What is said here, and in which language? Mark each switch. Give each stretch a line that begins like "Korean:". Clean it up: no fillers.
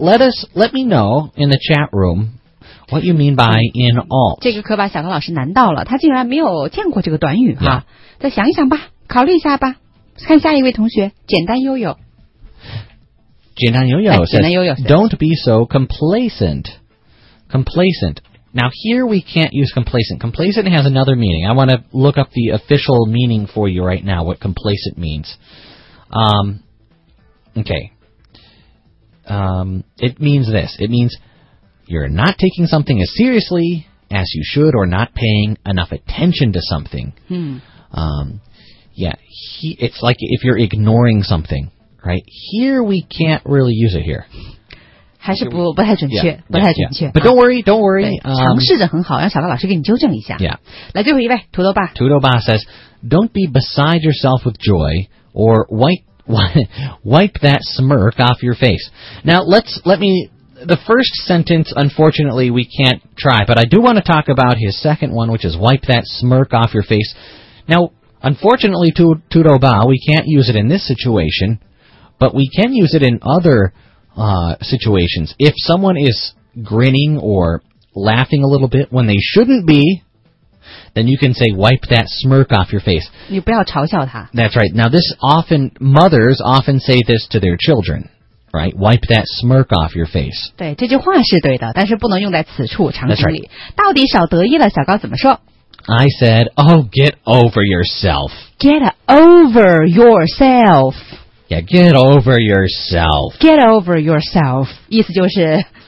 English: Let me know in the chat room what you mean by in alt.
Chinese: 这个可把小高老师难到了，他竟然没有见过这个短语哈。
English: Yeah.
Chinese: 再想一想吧，考虑一下吧，看下一位同学，简单悠悠。简单悠悠，哎，简单悠悠。
English: Don't be so complacent. Complacent. Now here we can't use complacent. Complacent has another meaning. I want to look up the official meaning for you right now. What complacent means? Okay. It means this. It means you're not taking something as seriously as you should, or not paying enough attention to something. It's like if you're ignoring something. Right here, we can't really use it here.
Chinese: 还是不太准确，
English: yeah,
Chinese: 不太准确。
English: Yeah. But don't worry.
Chinese: 尝试着很好，让小高老师给你纠正一下。
English: Yeah.
Chinese: 来，最后一位，土豆爸。
English: 土豆爸 says, "Don't be beside yourself with joy, or wipe that smirk off your face." Now let me. The first sentence, unfortunately, we can't try. But I do want to talk about his second one, which is "wipe that smirk off your face." Now, unfortunately, Tuto Ba, we can't use it in this situation, but we can use it in other situations. If someone is grinning or laughing a little bit when they shouldn't be, then you can say, wipe that smirk off your face.
Chinese: 你不要嘲笑他。
English: That's right. Now, mothers often say this to their children, right? Wipe that smirk off your face.
Chinese: 对，这句话是对的，但是不能用在此处场景里。
English: That's right.
Chinese: 到底少得意了，小高怎么说？
English: I said, oh, get over yourself. Get over yourself. Yeah, get over yourself. Get over yourself.
Chinese: 意思就是